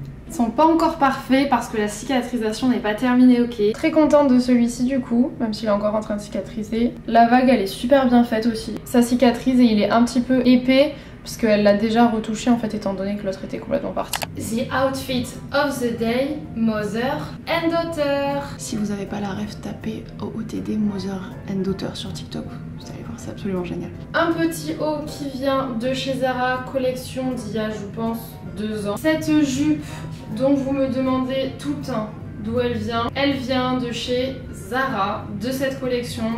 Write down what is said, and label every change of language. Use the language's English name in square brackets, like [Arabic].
[French] Sont pas encore parfaits parce que la cicatrisation n'est pas terminée, ok. Très contente de celui-ci du coup, même s'il est encore en train de cicatriser. La vague, elle est super bien faite aussi. Ça cicatrise et il est un petit peu épais parce qu'elle l'a déjà retouché en fait, étant donné que l'autre était complètement parti. [English] The outfit of the day, mother and daughter. [French] Si vous avez pas la ref, tapez [English] OOTD mother and daughter [French] sur TikTok. Vous allez voir, c'est absolument génial. Un petit haut qui vient de chez Zara, collection d'il y a, je pense, 2 ans. Cette jupe dont vous me demandez tout le temps d'où elle vient de chez Zara, de cette collection.